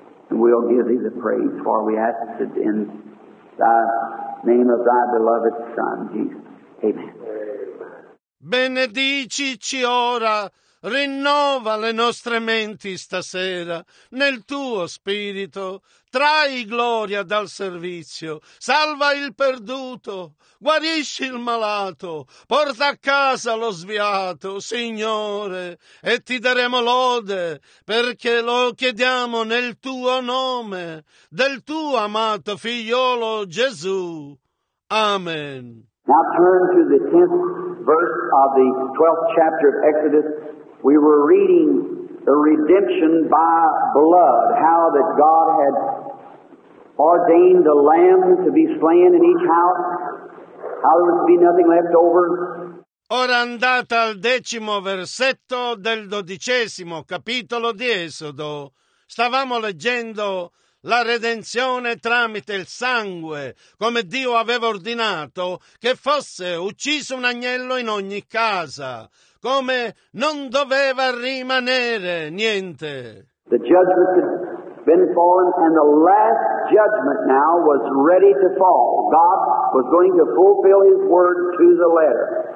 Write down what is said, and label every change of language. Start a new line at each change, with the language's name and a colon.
English: And we'll give thee the praise, for we ask it in thy name of thy beloved Son, Jesus.
Italian: Benedicici ora, rinnova le nostre menti stasera, nel tuo spirito, trai gloria dal servizio, salva il perduto, guarisci il malato, porta a casa lo sviato, Signore, e ti daremo lode, perché lo chiediamo nel tuo nome, del tuo amato figliolo Gesù.
English: Amen. Now turn to the 10th verse of the 12th chapter of Exodus. We were reading the redemption by blood, how that God had ordained a lamb to be slain in each house, how there was to be nothing left over.
Italian: Ora andata al decimo versetto del dodicesimo capitolo di Esodo, stavamo leggendo la redenzione tramite il sangue, come Dio aveva ordinato, che fosse ucciso un agnello in ogni casa, come non doveva rimanere niente.
English: The judgment had been fallen and the last judgment now was ready to fall. God was going to fulfill his word to the letter.